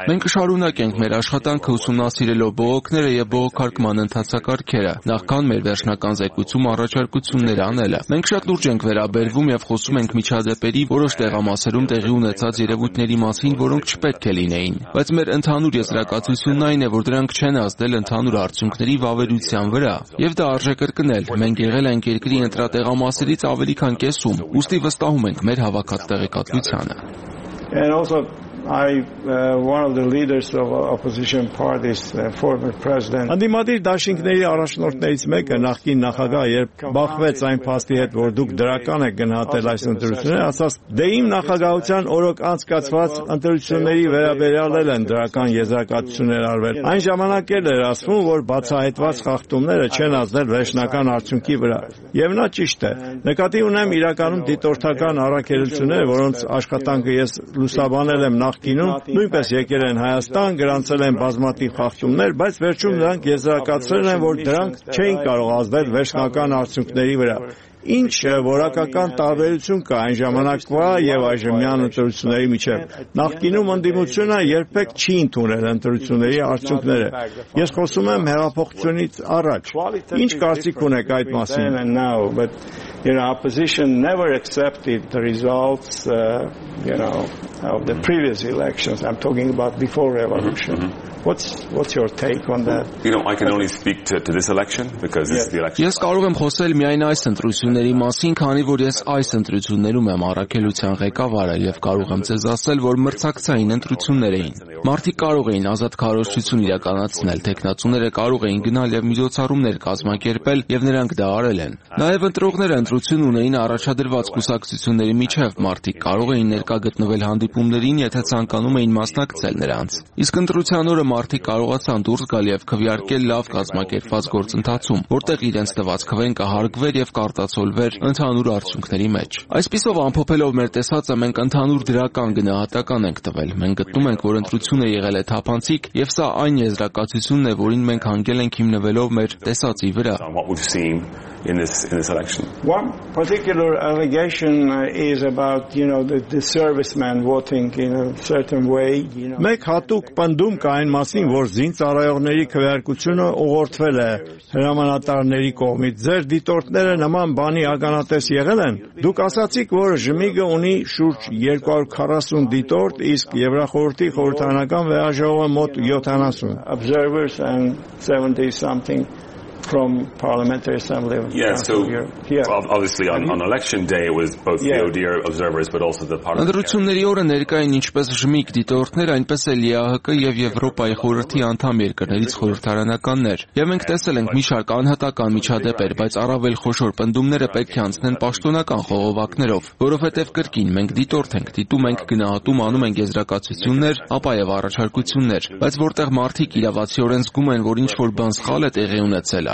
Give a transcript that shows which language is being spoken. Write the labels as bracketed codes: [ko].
[hy] Մենք շարունակ ենք մեր աշխատանքը ուսումնասիրելով բողոքները եւ քարկման ընթացակարգերը, նախքան մեր վերջնական զեկույցում առաջարկություններ անելը։ Մենք շատ լուրջ ենք վերաբերվում եւ խոսում ենք միջադեպերի որոշ տեղամասերում տեղի ունեցած երևույթների մասին, որոնք չպետք է լինեին, բայց մեր ընդհանուր եզրակացությունն այն է, որ դրանք չեն ազդել ընդհանուր արդյունքների վավերության վրա, եւ դա արժե կրկնել։ Մենք եղել ենք երկրի ընտրատեղամասերից ավելի քան կեսում, ուստի վստահում ենք մեր հավաքած տեղեկատվությանը։ [en] One of the leaders of opposition parties, former president. [hy] Անդի մադիր դաշինքների առաջնորդներից մեկը, նախկին նախագահ, երբ բախվեց այն փաստի հետ, որ դուք դրական եք գնահատել այս ընտրությունները, ասաց, դե իմ նախագահության օրոք անցկացված ընտրությունների վերաբերյալ են դրական եզրակացություններ արվել։ Այն ժամանակ էլ էր ասվում, որ բացահայտված խախտումները չեն ազդել վերջնական արդյունքի վրա։ Եվ նա ճիշտ է։ Նկատի ունեմ իրականում դիտորդական առաքելությունները, որոնց աշխատանքը ես լուսաբանել եմ նախկինում, նույնպես եկել են Հայաստան, գրանցել են բազմատիպ խախտումներ, բայց վերջում նրանք եզրակացրել են, որ դրանք չեն կարող ազդել վերջնական արդյունքների վրա։ Ինչ որակական տարբերություն կա այն ժամանակվա եւ այժմյան ընտրությունների միջեւ։ Նախկինում ընդդիմությունը երբեք չի ընդունել ընտրությունների արդյունքները։ Ես խոսում եմ հեղափոխությունից առաջ։ Ինչ կարծիք ունեք այդ մասին։ [en] You know, opposition never accepted the results, of the previous elections. I'm talking about before revolution. What's your take on that? You know, I can only speak to this election because this is the election. [hy] Ես կարող եմ խոսել միայն այս ընտրությունների մասին, քանի որ ես այս ընտրություններում եմ առաքելության ղեկավարը եւ կարող եմ ձեզ ասել, որ մրցակցային ընտրություններ էին։ Մարդիկ կարող էին ազատ քարոշություն իրականացնել, տեխնացուները կարող էին գնալ եւ միջոցառումներ կազմակերպել եւ նրանք դա արել են։ Նաեւ ընտրողները ընտրություն ունեին առաջադրված կուսակցությունների միջև, մարդիկ կարող էին ներկա գտնվել հանդիպումներին, եթե ցանկանում էին մասնակցել նրանց։ Իսկ ընտրության օրը մարդիկ կարողացան դուրս գալ եւ քվեարկել լավ կազմակերպված գործընթացում, որտեղ իրենց տված քվեն կհարգվեր եւ կարտացոլվեր ընդհանուր արդյունքների մեջ։ Այսպիսով ամփոփելով մեր տեսածը, մենք ընդհանուր դրական գնահատական ենք տվել։ Մենք գտնում ենք, որ ընտրությունը եղել է թափանցիկ եւ սա այն եզրակացությունն է, որին մենք հանգել ենք հիմնվելով մեր տեսածի վրա։ [en] In this election. One particular allegation is about, you know, the servicemen voting in a certain way, you know. [hy] Մեկ հատուկ պնդում կա այն մասին, որ զինծառայողների քվեարկությունը ուղղորդվել է հրամանատարների կողմից։ Ձեր դիտորդները նման բանի ականատես եղել են։ Դուք ասացիք, որ ԺՄԻԿ-ը ունի շուրջ 240 դիտորդ, իսկ Եվրախորհրդի խորհրդանական վերաժողովը մոտ 70 [en] observers and 70 something from Parliamentary Assembly. Obviously on election day it was both ODIHR observers but also the parliament. [hy] Ընդդրությունների օրը ներկային ինչպես ԺՄԻԿ դիտորդներ, այնպես էլ ԵԱՀԿ եւ Եվրոպայի խորհրդի անդամ երկրներից խորհրդարանականներ։ Եվ մենք տեսել ենք մի շարք անհատական միջադեպեր, բայց առավել խոշոր պնդումները պետք է անցնեն պաշտոնական խողովակներով, որովհետեւ կրկին մենք դիտորդ ենք, դիտում ենք գնահատում, անում ենք եզրակացություններ, ապա եւ առաջարկություններ, բայց որտեղ մարդիկ իրավացիորեն զգում են, որ ինչ-որ բան սխալ է տեղի ունեցել,